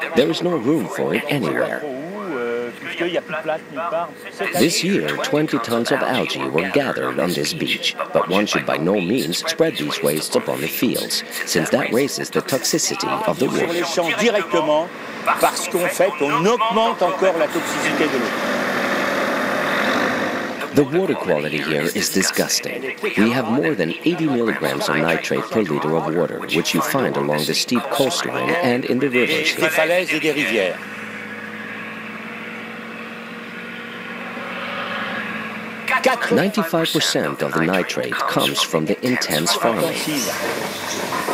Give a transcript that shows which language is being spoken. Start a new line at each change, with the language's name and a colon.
English: There is no room for it anywhere. This year, 20 tons of algae were gathered on this beach, but one should by no means spread these wastes upon the fields, since that raises the toxicity of the water.
French: Parce qu'en fait, on augmente encore la toxicité de l'eau.
English: The water quality here is disgusting. We have more than 80 milligrams of nitrate per liter of water, which you find along the steep coastline and in the rivers here. Ninety-5% of the nitrate comes from the intense farming.